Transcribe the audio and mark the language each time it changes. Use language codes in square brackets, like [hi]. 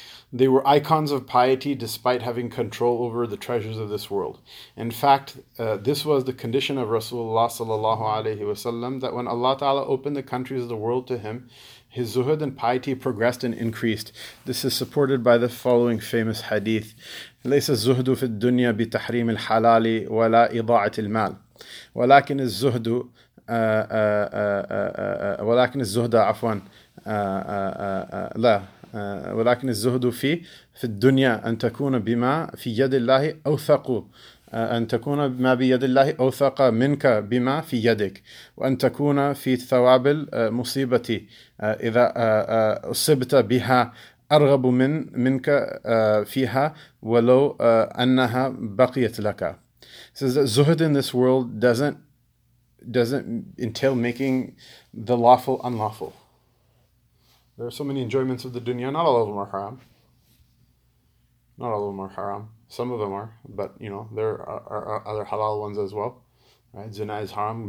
[en] They were icons of piety despite having control over the treasures of this world. In fact, this was the condition of Rasulullah sallallahu alayhi wa sallam, that when Allah Ta'ala opened the countries of the world to him, his zuhud and piety progressed and increased. This is supported by the following famous hadith. [ar] لَيْسَ الزُّهْدُ فِي الدُّنْيَا بِتَحْرِيمِ الْحَلَالِ وَلَا إِضَاعَةِ الْمَالِ وَلَكِنِ الزُّهْدُ وَلَكِنِ الزُّهْدَ عَفْوًا لَا ولكن الزهد في الدنيا أن تكون بما في يد الله أوثق أن تكون بما بيد الله أوثق منك بما في يدك وأن تكون في ثواب المصيبة إذا أصبت بها أرغب منك فيها ولو أنها بقيت لك. [en] It says that zuhd in this world doesn't entail making the lawful unlawful. There are so many enjoyments of the dunya. Not all of them are haram. Some of them are. But, there are other halal ones as well. Right? Zina is haram.